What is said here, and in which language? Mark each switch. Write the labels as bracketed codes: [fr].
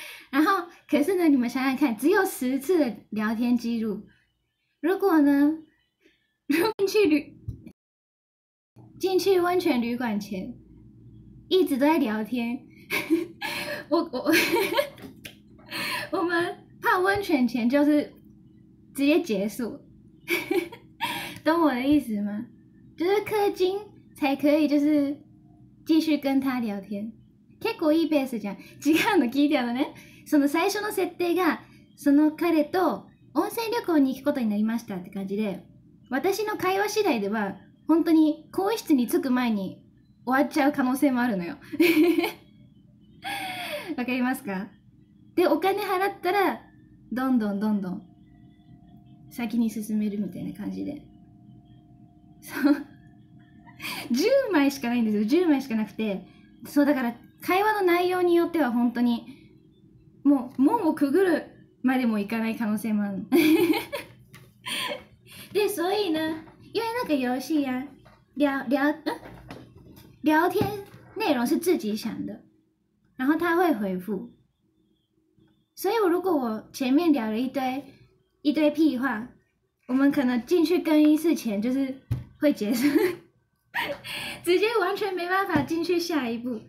[zh] 然后，可是呢，你们想想看，只有十次的聊天记录，如果呢，进去温泉旅馆前一直都在聊天，我们泡温泉前就是直接结束，懂我的意思吗？就是氪金才可以，就是继续跟他聊天。 [ja] 結構いいペースじゃん。時間の聞いてあるね。その最初の設定が、その彼と温泉旅行に行くことになりましたって感じで、私の会話次第では、本当に更衣室に着く前に終わっちゃう可能性もあるのよ。わかりますか？で、お金払ったら、どんどんどんどん先に進めるみたいな感じで。 10枚しかないんですよ、10枚しかなくて、そうだから会話の内容によっては本当にもう門をくぐるまでもいかない可能性もある。 [zh] で、所以呢、因为那个游戏呀、聊天内容是自己想的、然后他会回复。所以如果我前面聊了一堆屁话、我们可能进去更衣室前就是会结束，直接完全没办法进去下一步。